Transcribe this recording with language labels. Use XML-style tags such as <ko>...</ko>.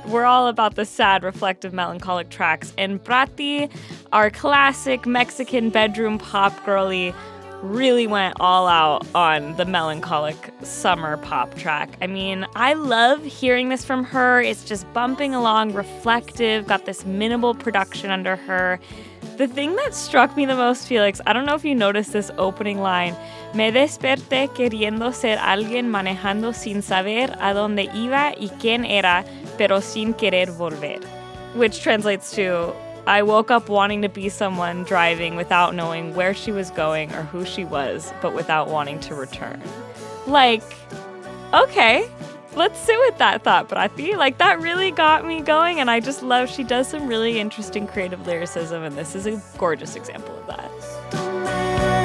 <en>We're all about the sad, reflective, melancholic tracks. And Prati, our classic Mexican bedroom pop girly, really went all out on the melancholic summer pop track. I mean, I love hearing this from her. It's just bumping along, reflective, got this minimal production under her. The thing that struck me the most, Felix, I don't know if you noticed this opening line.</en> <es>Me desperté queriendo ser alguien manejando sin saber a dónde iba y quién era, pero sin querer volver.</es> <en>Which translates to, I woke up wanting to be someone driving without knowing where she was going or who she was, but without wanting to return. Like, okay, let's sit with that thought, Prati. Like, that really got me going, and I just love she does some really interesting creative lyricism, and this is a gorgeous example of that.</en>